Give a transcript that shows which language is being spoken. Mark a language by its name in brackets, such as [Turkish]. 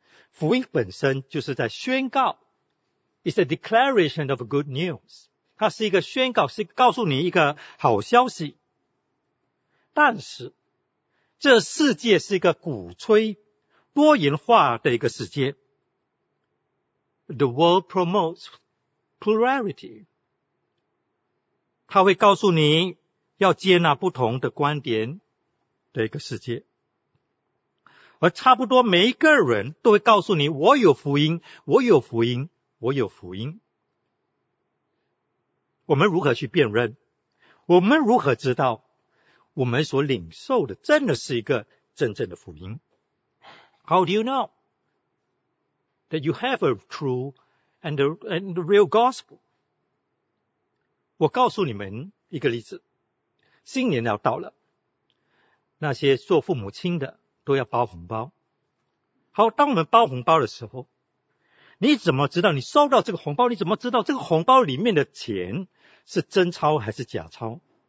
[Chinese] 福音本身就是在宣告 ， [English] is a declaration of good news。 [Chinese] 它是一个宣告，是告诉你一个好消息。但是，这世界是一个鼓吹多元化的一个世界。 [English] The world promotes plurality。 [Chinese] 它会告诉你要接纳不同的观点的一个世界。而差不多每一个人都会告诉你，我有福音，我有福音，我有福音。我们如何去辨认？我们如何知道我们所领受的真的是一个真正的福音？ [English] How do you know that you have a true and real gospel? [Chinese] 我告诉你们一个例子，新年要到了，那些做父母亲的都要包红包。好，当我们包红包的时候，你怎么知道你收到这个红包，你怎么知道这个红包里面的钱是真钞还是假钞？